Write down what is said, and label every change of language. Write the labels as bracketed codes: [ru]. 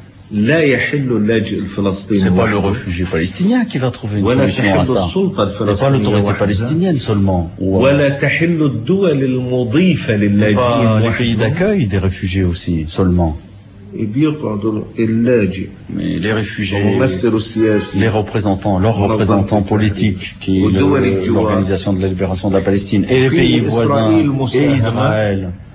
[ar] لا يحل اللاجئ الفلسطيني. [fr] C'est pas le réfugié palestinien qui va trouver une solution à ça. C'est pas l'autorité palestinienne seulement. [ar] ولا تحل الدول المضيفة للاجئين. [fr] Pas les pays d'accueil des réfugiés aussi seulement. Mais les réfugiés, les représentants, leurs représentants politiques, qui est l'organisation de la libération de la Palestine, et les pays voisins et Israël.